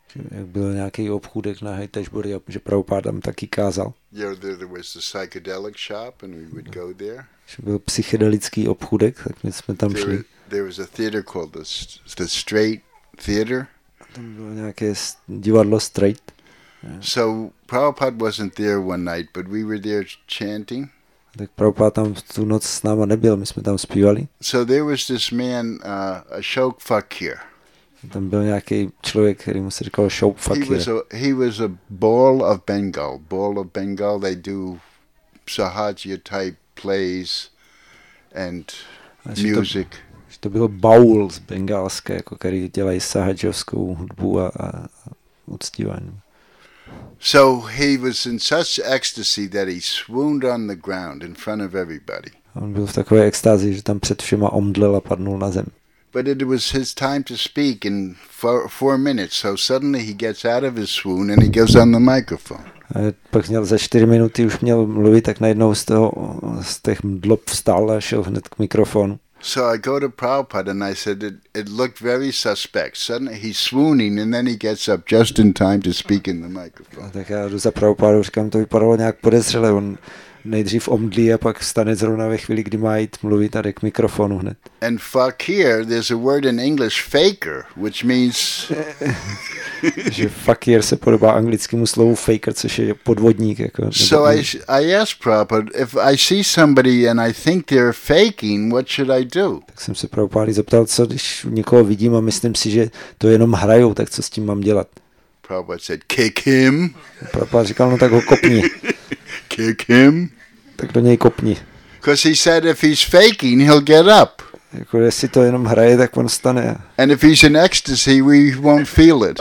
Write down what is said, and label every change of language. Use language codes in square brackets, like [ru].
[cs] Jak byl nějaký obchůdek na Haithasbury, že Prabhupáda tam taky kázal. [en] Yeah, there was a psychedelic shop and we would go there. [cs] Že byl psychedelický obchůdek, tak my jsme tam šli. [en] There was a theater called the Straight Theater. [cs] Tam bylo nějaké divadlo Straight. [en] So Prabhupada wasn't there one night, but we were there chanting. [cs] Tak Prabhupada tam tu noc s náma nebyl, my jsme tam zpívali. [en] So there was this man, Ashok Fakir. [cs] Tam byl nějaký člověk, který mu se říkal Ashok Fakir. [en] He was a ball of Bengal. Ball of Bengal, they do Sahajya type plays and music. [cs] To bylo baul z bengalské, jako který dělají sahajovskou hudbu a uctívání. [en] So he was in such ecstasy that he swooned on the ground in front of everybody. [cs] On byl v takové extázi, že tam před všema omdlel a padnul na zem. [en] But it was his time to speak in four minutes, so suddenly he gets out of his swoon and he goes on the microphone. [cs] A pak měl za 4 minuty už měl mluvit, tak najednou z těch mdlob vstal a šel hned k mikrofonu. [en] So I go to Prabhupada and I said, it looked very suspect. Suddenly he's swooning and then he gets up just in time to speak in the microphone. [cs] Tak já jdu za Prabhupadu, říkám, to vypadalo nějak podezřele. On nejdřív omdlí a pak stane zrovna ve chvíli, kdy má jít mluvit, a jde k mikrofonu hned. [en] And fakir, there's a word in English, faker, which means... [cs] Že fakir se podobá anglickému slovu faker, což je podvodník. Jako, [en] so I asked Prabhupada, if I see somebody and I think they're faking, what should I do? [cs] Tak jsem se Prabhupada zeptal, co když někoho vidím a myslím si, že to jenom hrajou, tak co s tím mám dělat? [en] Prabhupada said, kick him. [cs] Prabhupada říkal, no tak ho kopni. [en] Kick him. [cs] Tak do něj kopni. [en] Because he said if he's faking, he'll get up. [cs] Jako, jestli to jenom hraje, tak on stane. [en] And if he's in ecstasy, we won't feel it.